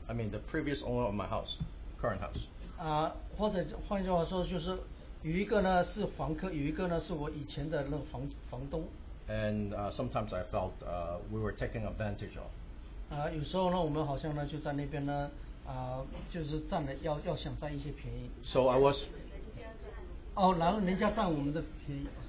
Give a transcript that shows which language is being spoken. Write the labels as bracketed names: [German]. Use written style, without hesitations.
[English] The previous owner of my house, current house. [Chinese] 或者换句话说，就是有一个呢是房客，有一个呢是我以前的那个房东。 [English] And sometimes I felt we were taking advantage of. [Chinese] 有时候呢，我们好像呢就在那边呢，就是占了要想占一些便宜。 [English] So I was. [Chinese] 然后人家占我们的便宜。